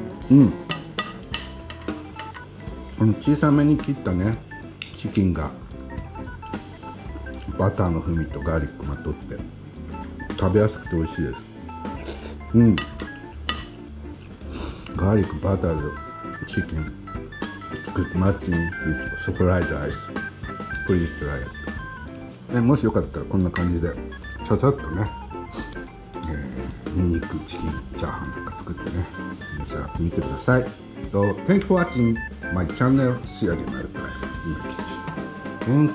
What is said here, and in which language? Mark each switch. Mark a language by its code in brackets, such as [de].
[ja] うん、この小さめに切ったねチキンがバターの風味とガーリックまとって食べやすくて美味しいです。うん、ガーリックバターでChicken. [en] It's good matching with fried rice. Please try it. [ja] And もしよかったらこんな感じでちゃちゃっとね、ニンニクチキンチャーハンとか作ってね、召し上がってみてください。 [en] So, thank you for watching my channel. See you again next time in my kitchen.